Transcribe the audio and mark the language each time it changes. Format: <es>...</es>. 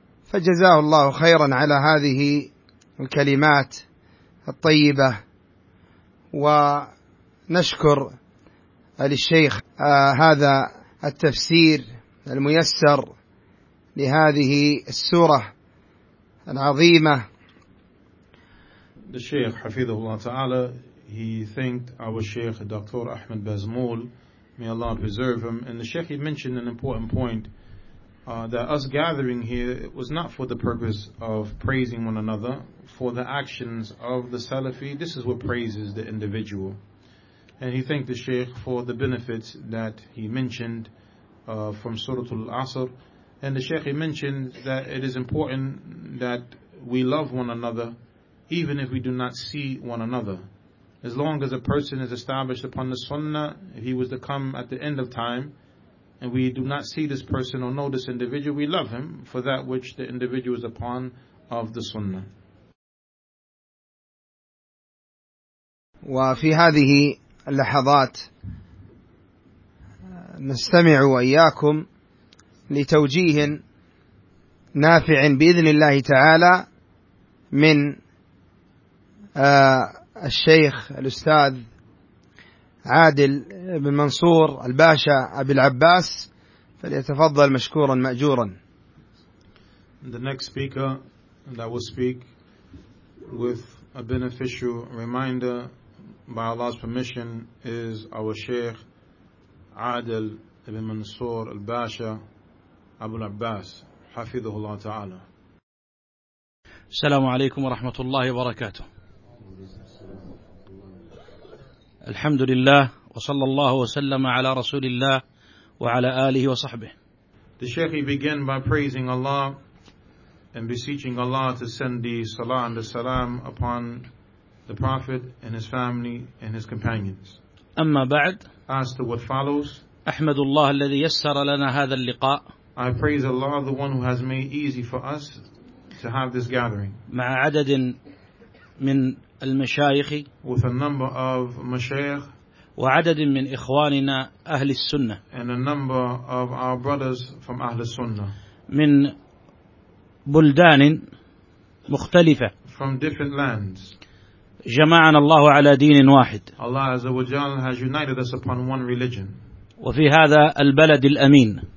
<ar>فجزاه الله خيرا على هذه الكلمات الطيبة، ونشكر للشيخ هذا التفسير الميسر لهذه السورة العظيمة. الشيخ حفظه الله تعالى</ar> <en>he thanked our Sheikh Dr. Ahmed Bazmul, may Allah preserve him. And the Sheikh had mentioned an important point. That us gathering here, it was not for the purpose of praising one another. For the actions of the Salafi, this is what praises the individual. And he thanked the Shaykh for the benefits that he mentioned from Surah Al-Asr. And the Shaykh, he mentioned that it is important that we love one another, even if we do not see one another. As long as a person is established upon the Sunnah, he was to come at the end of time, and we do not see this person or know this individual, we love him for that which the individual is upon of the sunnah.</en> <ar>وفي هذه اللحظات نستمع وإياكم لتوجيه نافع بإذن الله تعالى من الشيخ الأستاذ عادل بن منصور الباشا أبي العباس، فليتفضل مشكورا مأجورا.</ar> <en>The next speaker that will speak with a beneficial reminder by Allah's permission is our Sheikh عادل بن منصور الباشا أبو العباس</en> <ar>حفظه الله تعالى. السلام عليكم ورحمة الله وبركاته. الحمد لله وصلى الله وسلم على رسول الله وعلى آله وصحبه.</ar> <en>The Sheikh began by praising Allah and beseeching Allah to send the salah and the salam upon the Prophet and his family and his companions.</en> <ar>أما بعد.</ar> <en>As to what follows.</en> <ar>أحمد الله الذي يسر لنا هذا اللقاء.</ar> <en>I praise Allah, the one who has made easy for us to have this gathering.</en> <ar>مع عدد من المشايخ</ar> <en>with a number of مشايخ</en> <ar>وعدد من إخواننا أهل السنة</ar> <en>and a number of our brothers from أهل السنة</en> <ar>من بلدان مختلفة</ar> <en>from different lands</en> <ar>جمعنا الله على دين واحد</ar> <en>Allah عز وجل has united us upon one religion</en> <ar>وفي هذا البلد الأمين</ar>